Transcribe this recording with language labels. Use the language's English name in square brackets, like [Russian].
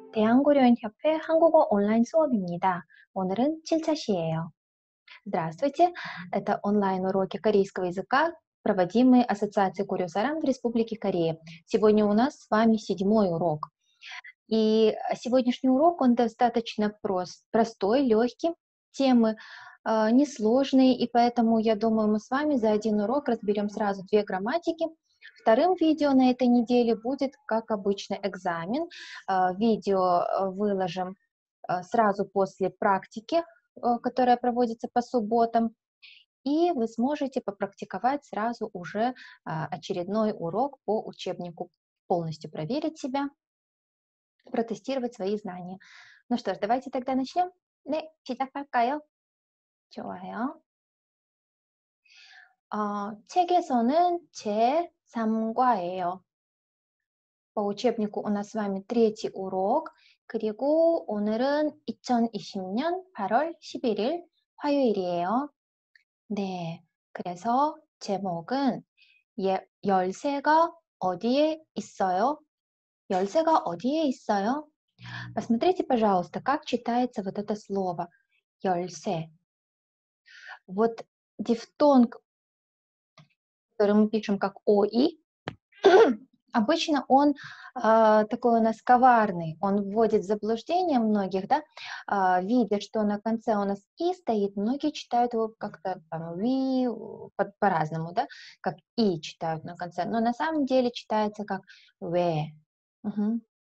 [Korean] 대한고려인협회 한국어 온라인 수업입니다. 오늘은 7차 시예요. [Russian] Здравствуйте! Это онлайн уроки корейского языка, проводимые Ассоциацией Курьюсарам в Республике Корея. Сегодня у нас с вами седьмой урок. И сегодняшний урок, он достаточно простой, легкий. Темы несложные, и поэтому, я думаю, мы с вами за один урок разберем сразу две грамматики. Вторым видео на этой неделе будет, как обычно, экзамен. Видео выложим сразу после практики, которая проводится по субботам. И вы сможете попрактиковать сразу уже очередной урок по учебнику. Полностью проверить себя, протестировать свои знания. Ну что ж, давайте тогда начнем. [Korean] 네, 시작할까요? 좋아요. 책에서는 제 3과예요. [Russian] По учебнику у нас с вами третий урок. [Korean] 그리고 오늘은 2020년 8월 11일 화요일이에요. 네, 그래서 제목은 열쇠가 어디에 있어요? 열쇠가 어디에 있어요? [Russian] Посмотрите, пожалуйста, как читается вот это слово. [Korean] 열쇠. [Russian] Вот дифтонг, который мы пишем как ОИ, обычно он такой у нас коварный, он вводит в заблуждение многих, да, видя, что на конце у нас И стоит, многие читают его как-то там ВИ, по-разному, да, как И читают на конце, но на самом деле читается как ВЭ. Угу.